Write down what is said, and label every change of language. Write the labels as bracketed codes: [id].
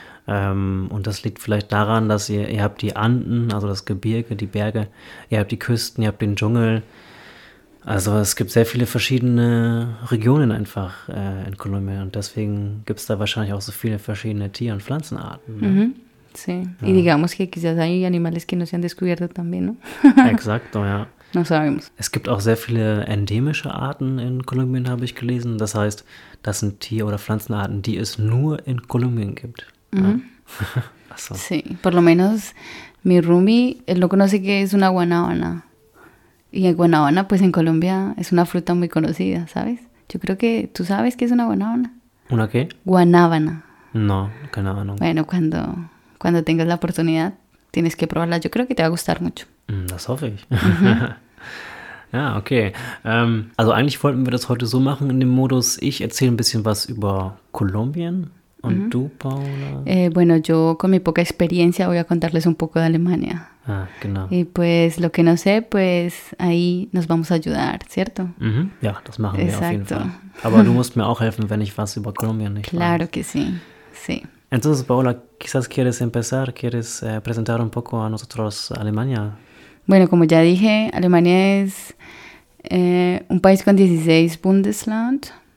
[de] Und das liegt vielleicht daran, dass ihr habt die Anden, also das Gebirge, die Berge, ihr habt die Küsten, ihr habt den Dschungel. Also es gibt sehr viele verschiedene Regionen einfach in Kolumbien und deswegen gibt es da wahrscheinlich auch so viele verschiedene Tier- und Pflanzenarten, ne? [es] Sí, y [de] Ja. [es] digamos que quizás hay animales que no se han descubierto también, ¿no? Exacto, ja. No sabemos. [de] Es gibt auch sehr viele endemische Arten in Kolumbien, habe ich gelesen. Das heißt, das sind Tier- oder Pflanzenarten, die es nur in Kolumbien gibt. Ja. Achso. [es] Sí, por lo menos mi Rumi, él no conoce que es una guanábana. Y la guanábana, pues en Colombia es una fruta muy conocida, ¿sabes? Yo creo que tú sabes qué es una guanábana. ¿Una qué? Guanábana. No, keine Ahnung. Bueno, cuando tengas la oportunidad, tienes que probarla. Yo creo que te va a gustar mucho. [de] Das hoffe ich. Ja, okay. Also eigentlich wollten wir das heute so machen in dem Modus, ich erzähle ein bisschen was über Kolumbien und du, Paula. [es] Bueno, yo con mi poca experiencia voy a contarles un poco de Alemania. [de] Ah, genau. [es] Y pues lo que no sé, pues ahí nos vamos a ayudar, ¿cierto? [de] Ja, das machen wir auf jeden [es] Exacto. [de] Fall. Aber du musst mir auch helfen, wenn ich was über Kolumbien nicht [es] Claro [de] weiß. [es] que sí. Entonces, Paula, quizás quieres empezar, quieres presentar un poco a nosotros Alemania. Bueno, como ya dije, Alemania es un país con 16 Bundesland.